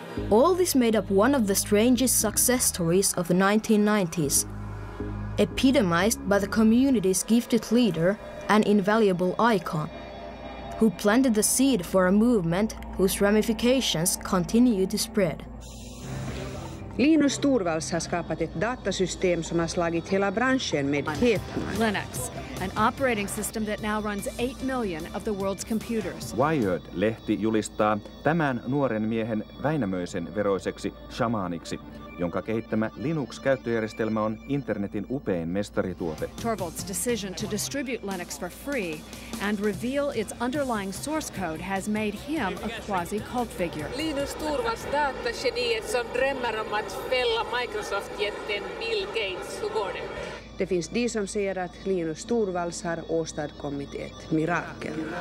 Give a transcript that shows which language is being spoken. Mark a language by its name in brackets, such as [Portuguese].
[English] All this made up one of the strangest success stories of the 1990s, epitomized by the community's gifted leader and invaluable icon, who planted the seed for a movement whose ramifications continue to spread. [Swedish] Linus Torvalds har skapat ett datasystem som har slagit hela branschen med häpnad. [English] Linux, an operating system that now runs 8 million of the world's computers. [Finnish] Wired-lehti julistaa tämän nuoren miehen Väinämöisen veroiseksi shamaaniksi, jonka kehittämä Linux-käyttöjärjestelmä on internetin upein mestarituote. [English] Torvalds' decision to distribute Linux for free and reveal its underlying source code has made him a quasi-cult figure. [Swedish] Linus Torvalds datageniet som drömmer om att fälla Microsoft-jätten Bill Gates på gården. Det finns de som säger att Linus Torvalds har åstadkommit ett mirakel.